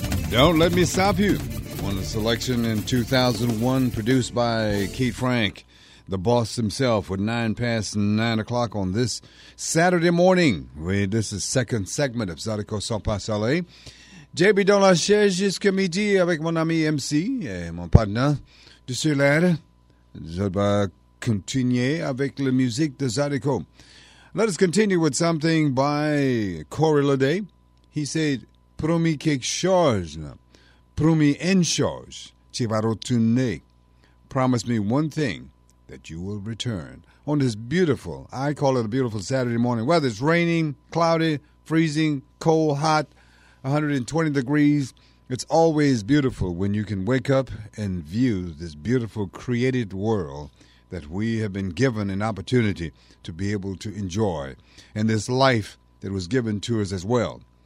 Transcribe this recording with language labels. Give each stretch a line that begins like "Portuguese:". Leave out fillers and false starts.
English: Don't Let Me Stop You, won a selection in 2001, produced by Keith Frank, the boss himself, with 9 past 9 o'clock on this Saturday morning. This is second segment of Zydeco Sans Passale. J.B.
French: dans la chaise jusqu'à midi avec mon ami MC et mon partner de ce lad. Je vais continuer avec la musique de Zydeco.
English: Let us continue with something by Corey Ledet. He said,
French: promis quelque chose, promis une chose, tu vas retourner.
English: Promise me one thing, that you will return. On this beautiful, I call it a beautiful Saturday morning, whether it's raining, cloudy, freezing, cold, hot, 120 degrees, it's always beautiful when you can wake up and view this beautiful created world that we have been given an opportunity to be able to enjoy, and this life that was given to us as well.